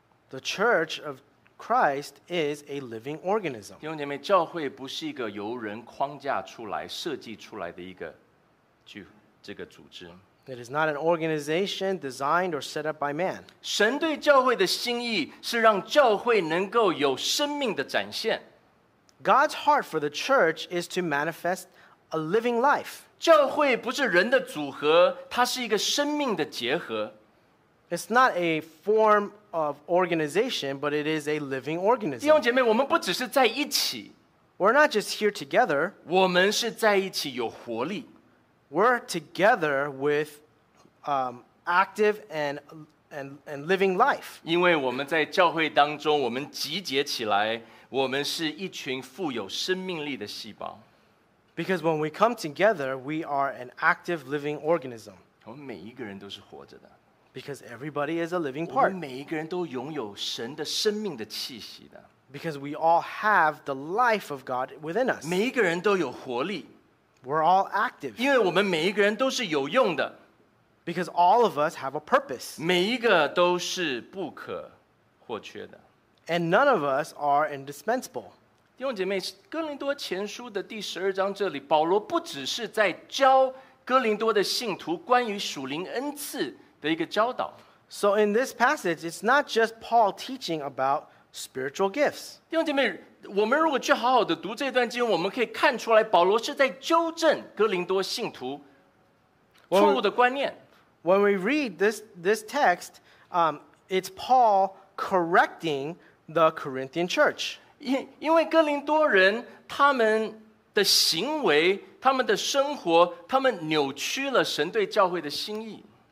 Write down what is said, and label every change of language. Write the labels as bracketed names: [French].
[English] The church of Christ is a living organism. [Chinese] 弟兄姐妹，教会不是一个由人框架出来、设计出来的一个这个组织。 [English] It is not an organization designed or set up by man. [Chinese] 神对教会的心意是让教会能够有生命的展现。 [English] God's heart for the church is to manifest a living life. [Chinese] 教会不是人的组合，它是一个生命的结合。 [English] It's not a form of organization, but it is a living organism. [Chinese] 弟兄姐妹，我们不只是在一起。 [English] We're not just here together. [Chinese] 我们是在一起有活力。 [English] We're together with active and living life. [Chinese] 因为我们在教会当中，我们集结起来，我们是一群富有生命力的细胞。 [English] Because when we come together, we are an active living organism. [Chinese] 我们每一个人都是活着的。 [English] Because everybody is a living part. [Chinese] 我们每一个人都拥有神的生命的气息的。 [English] Because we all have the life of God within us. [Chinese] 每一个人都有活力。 [English] We're all active. [Chinese] 因为我们每一个人都是有用的。 [English] Because all of us have a purpose. [Chinese] 每一个都是不可或缺的。 [English] And none of us are indispensable. [Chinese] 弟兄姐妹，哥林多前书的第十二章这里，保罗不只是在教哥林多的信徒关于属灵恩赐。的一个教导。 [English] So in this passage, it's not just Paul teaching about spiritual gifts. [Chinese] 弟兄姐妹，我们如果去好好的读这段经文，我们可以看出来，保罗是在纠正哥林多信徒错误的观念。 [English] When we read this text, it's Paul correcting the Corinthian church. [Chinese] 因为哥林多人他们的行为、他们的生活，他们扭曲了神对教会的心意。